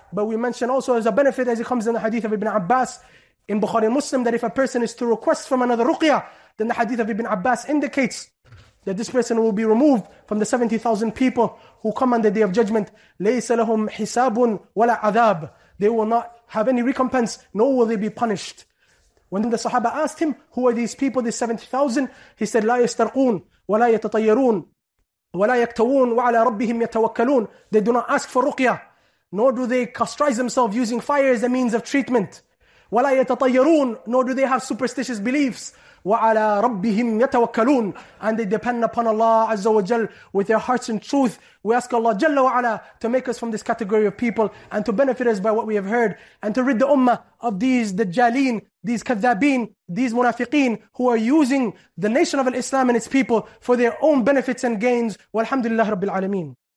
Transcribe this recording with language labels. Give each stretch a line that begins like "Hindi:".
English: But we mention also as a benefit, as it comes in the hadith of Ibn Abbas in Bukhari Muslim, that if a person is to request from another ruqyah, then the hadith of Ibn Abbas indicates that this person will be removed from the 70,000 people who come on the Day of Judgment.
Arabic: لَيْسَ لَهُمْ حِسَابٌ وَلَا عَذَابٌ.
English: They will not have any recompense, nor will they be punished. When the Sahaba asked him, who are these people, these 70,000? He said,
Arabic: لا يسترقون ولا يتطيرون ولا يكتوون وعلى ربهم يتوكلون.
English: They do not ask for ruqya, nor do they castrize themselves using fire as a means of treatment.
Arabic: ولا يتطيرون,
English: nor do they have superstitious beliefs.
Arabic: وعلى ربهم يتوكلون,
English: and they depend upon Allah Azza wa Jal with their hearts in truth. We ask Allah Jalla wa Ala to make us from this category of people and to benefit us by what we have heard and to rid the ummah of these dajjaleen, these kadhabeen, these munafiqeen who are using the nation of Islam and its people for their own benefits and gains. Walhamdulillah Rabbil Alameen.